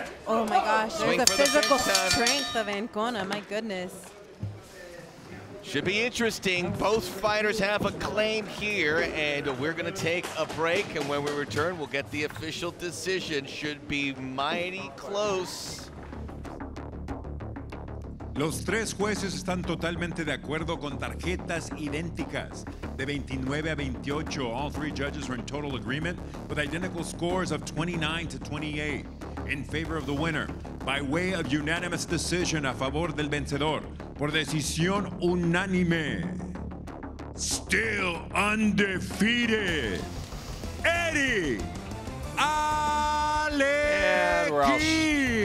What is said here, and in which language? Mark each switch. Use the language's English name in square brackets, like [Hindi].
[English] Oh my gosh. There's the physical strength of Ancona. My goodness. Should be interesting. Both fighters have a claim here, and we're going to take a break. And when we return, we'll get the official decision. Should be mighty close. [Spanish] Los tres jueces están totalmente de acuerdo con tarjetas idénticas. De 29 a 28, [English] all three judges are in total agreement with identical scores of 29 to 28 in favor of the winner. By way of unanimous decision [Spanish] a favor del vencedor, por decisión unánime, [English] still undefeated, Eddie Alequin.